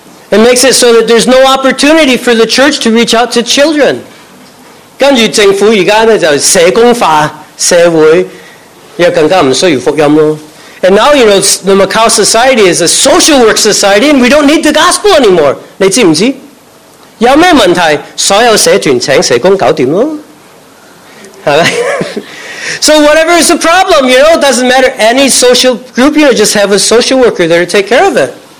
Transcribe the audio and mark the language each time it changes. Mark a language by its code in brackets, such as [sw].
[en] It makes it so that there's no opportunity for the church to reach out to children. [yue] 跟住政府而家呢，就社工化社會，又更加唔需要福音咯。 [en] And now, you know, the Macau society is a social work society, and we don't need the gospel anymore. [yue] 你知唔知?有咩问题?所有社团请社工搞定咯。是吧? [en] So whatever is the problem, you know, it doesn't matter. Any social group, you know, just have a social worker there to take care of it.